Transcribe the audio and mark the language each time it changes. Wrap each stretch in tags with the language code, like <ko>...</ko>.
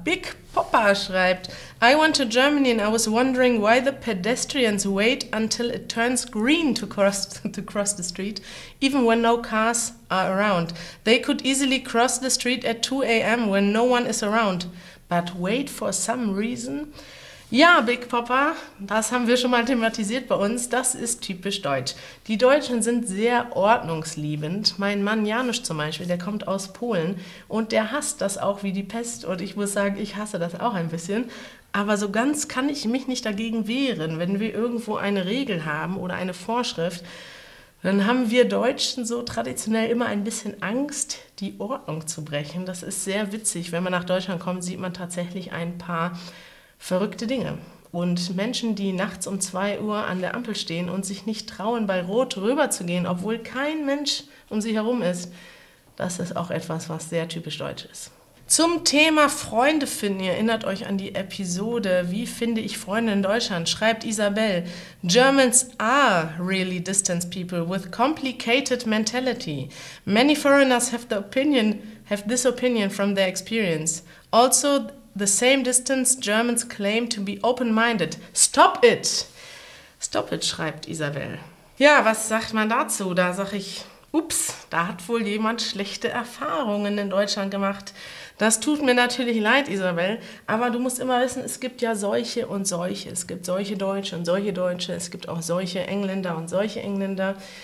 <en>Big Papa</en> <de>schreibt,</de> <en>I went to Germany and I was wondering why the pedestrians wait until it turns green to cross the street, even when no cars are around. They could easily cross the street at 2 a.m. when no one is around, but wait for some reason.</en> <de>Ja, Big Papa, das haben wir schon mal thematisiert bei uns. Das ist typisch deutsch. Die Deutschen sind sehr ordnungsliebend. Mein Mann Janusz zum Beispiel, der kommt aus Polen und der hasst das auch wie die Pest. Und ich muss sagen, ich hasse das auch ein bisschen. Aber so ganz kann ich mich nicht dagegen wehren, wenn wir irgendwo eine Regel haben oder eine Vorschrift. Dann haben wir Deutschen so traditionell immer ein bisschen Angst, die Ordnung zu brechen. Das ist sehr witzig. Wenn man nach Deutschland kommt, sieht man tatsächlich ein paar verrückte Dinge. Und Menschen, die nachts um 2 Uhr an der Ampel stehen und sich nicht trauen, bei Rot rüberzugehen, obwohl kein Mensch um sie herum ist, das ist auch etwas, was sehr typisch deutsch ist. Zum Thema Freunde finden, ihr erinnert euch an die Episode Wie finde ich Freunde in Deutschland? Schreibt</de> <en>Isabel, Germans are really distant people with complicated mentality. Many foreigners have this opinion from their experience. Also, the same distance Germans claim to be open-minded. Stop it! Stop it,</en> <de>schreibt</de> <en>Isabel.</en> <de>Ja, was sagt man dazu? Da sag ich, ups, da hat wohl jemand schlechte Erfahrungen in Deutschland gemacht. Das tut mir natürlich leid, Isabel, aber du musst immer wissen, es gibt ja solche und solche. Es gibt solche Deutsche und solche Deutsche. Es gibt auch solche Engländer und solche Engländer.</de>